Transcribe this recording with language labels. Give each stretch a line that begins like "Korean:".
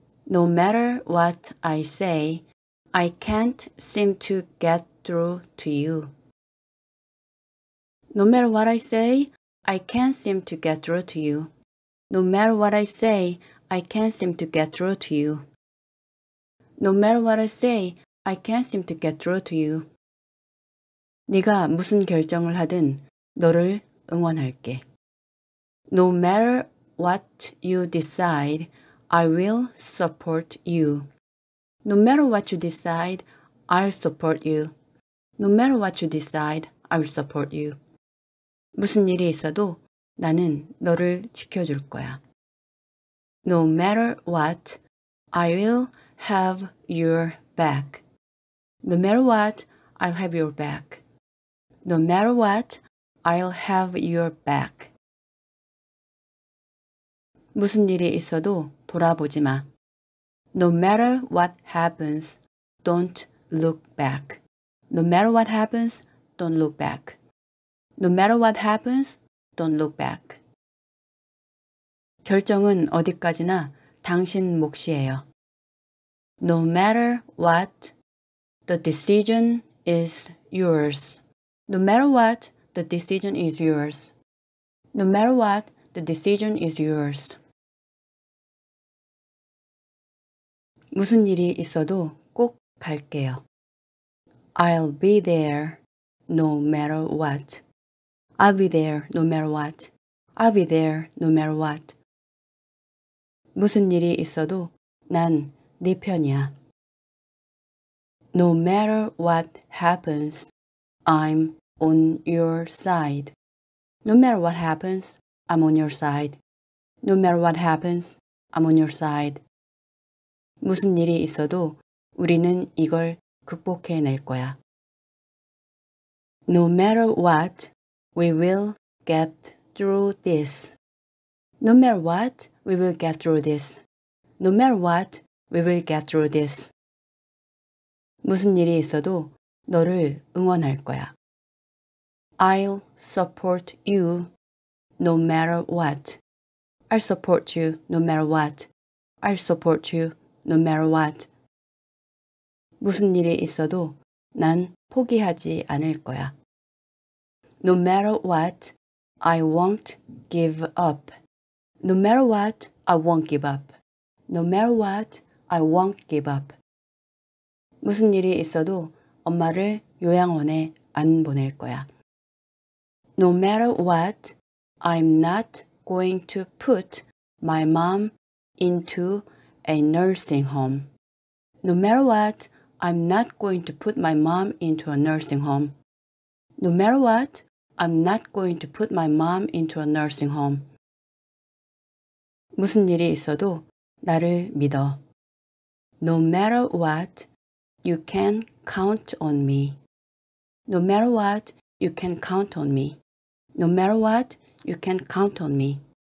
English: No matter what I say, I can't seem to get through to you. No matter what I say, I can't seem to get through to you. No matter what I say, I can't seem to get through to you. No matter what I say, I can't seem to get through to you.
Korean: 네가 무슨 결정을 하든 너를 응원할게.
English: No matter what you decide, I will support you. No matter what you decide, I'll support you. No matter what you decide, I'll support you.
Korean: 무슨 일이 있어도 나는 너를 지켜줄 거야.
English: No matter what, I will have your back. No matter what, I'll have your back. No matter what, I'll have your back.
Korean: 무슨 일이 있어도 돌아보지 마.
English: No matter what happens, don't look back. No matter what happens, don't look back. No matter what happens, don't look back.
Korean: 결정은 어디까지나 당신 몫이에요.
English: No matter what, the decision is yours. No matter what, the decision is yours. No matter what, the decision is yours.
Korean: 무슨 일이 있어도 꼭 갈게요.
English: I'll be there no matter what. I'll be there no matter what. I'll be there no matter what.
Korean: 무슨 일이 있어도 난 네 편이야.
English: No matter what happens, I'm on your side. No matter what happens, I'm on your side. No matter what happens, I'm on your side.
Korean: 무슨 일이 있어도 우리는 이걸 극복해낼 거야.
English: No matter what, we will get through this. No matter what, we will get through this. No matter what, we will get through this.
Korean: 무슨 일이 있어도 너를 응원할 거야.
English: I'll support you no matter what. I'll support you no matter what. I'll support you no matter what.
Korean: 무슨 일이 있어도 난 포기하지 않을 거야.
English: No matter what, I won't give up. No matter what, I won't give up. No matter what, I won't give up.
Korean: 무슨 일이 있어도 엄마를 요양원에 안 보낼 거야.
English: No matter what, I'm not going to put my mom into a nursing home. No matter what, I'm not going to put my mom into a nursing home. No matter what, I'm not going to put my mom into a nursing home.
Korean: 무슨 일이 있어도 나를 믿어.
English: No matter what, you can count on me. No matter what, you can count on me. No matter what, you can count on me.